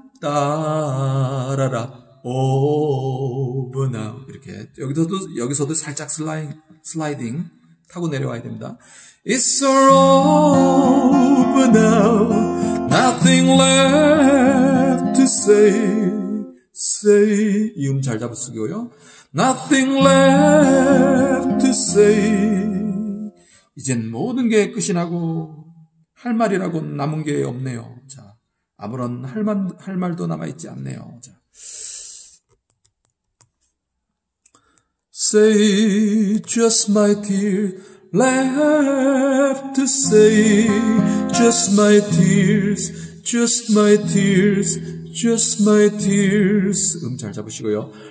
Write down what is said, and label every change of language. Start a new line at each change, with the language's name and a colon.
Korean: 따라라 over now. 이렇게. 여기서도 살짝 슬라이딩 타고 내려와야 됩니다.
English: It's all over now. Nothing left to say. Say.
Korean: 이 잘 잡으시고요.
English: Nothing left to say.
Korean: 이젠 모든 게 끝이 나고 할 말이라고 남은 게 없네요. 자, 아무런 할 말도 남아있지 않네요. 자.
English: Say just my tear left to say. Just my tears, just my tears, just my tears.
Korean: 잘 잡으시고요.